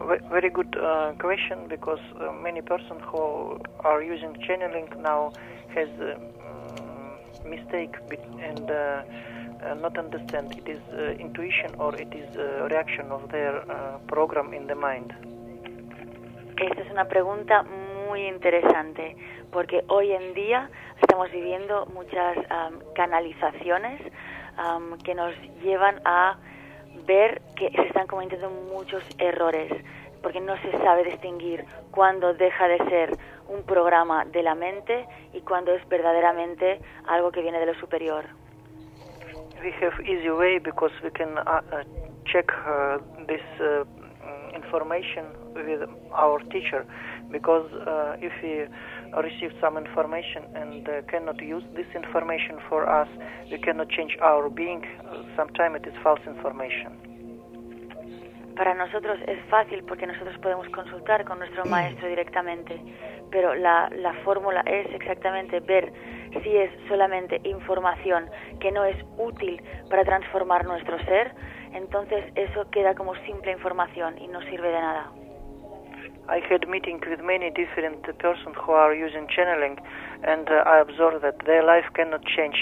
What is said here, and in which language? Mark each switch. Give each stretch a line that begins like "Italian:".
English: Very good question, because many persons who are using channeling now has a mistake and not understand it is intuition or it is a reaction of their program in the mind.
Spanish: Esta es una pregunta muy interesante, porque hoy en día estamos viviendo muchas canalizaciones que nos llevan a ver que se están cometiendo muchos errores, porque no se sabe distinguir cuándo deja de ser un programa de la mente y cuándo es verdaderamente algo que viene de lo superior.
English: We have easy way because we can check this information with our teacher, because if we receive some information and cannot use this information for us, we cannot change our being. Sometimes it is false information.
Spanish: Para nosotros es fácil porque nosotros podemos consultar con nuestro maestro directamente, pero la fórmula es exactamente ver si es solamente información que no es útil para transformar nuestro ser, entonces eso queda como simple información y no sirve de nada.
English: I had meeting with many different persons who are using channeling, and I observed that their life cannot change.